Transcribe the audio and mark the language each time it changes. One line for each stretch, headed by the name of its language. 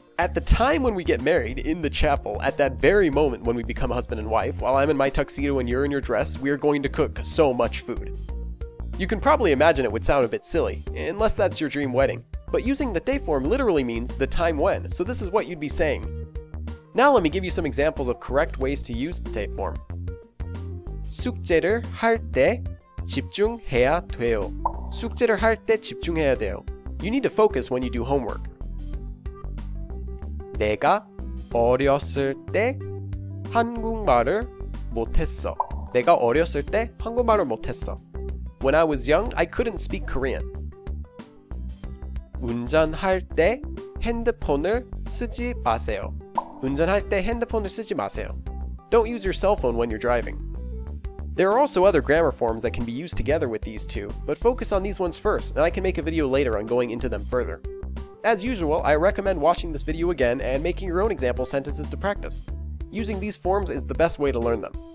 English: At the time when we get married, in the chapel, at that very moment when we become husband and wife, while I'm in my tuxedo and you're in your dress, we are going to cook so much food. You can probably imagine it would sound a bit silly, unless that's your dream wedding, but using the day form literally means the time when, so this is what you'd be saying. Now let me give you some examples of correct ways to use the day form.
Korean: 숙제를 할 때 집중해야 돼요. 숙제를 할 때 집중해야 돼요.
English: You need to focus when you do homework.
Korean: 내가 어렸을 때 한국말을 못했어. 내가 어렸을 때 한국말을 못했어.
English: When I was young, I couldn't speak Korean.
Korean: 운전할 때 핸드폰을 쓰지 마세요. 운전할 때 핸드폰을 쓰지 마세요.
English: Don't use your cell phone when you're driving. There are also other grammar forms that can be used together with these two, but focus on these ones first, and I can make a video later on going into them further. As usual, I recommend watching this video again and making your own example sentences to practice. Using these forms is the best way to learn them.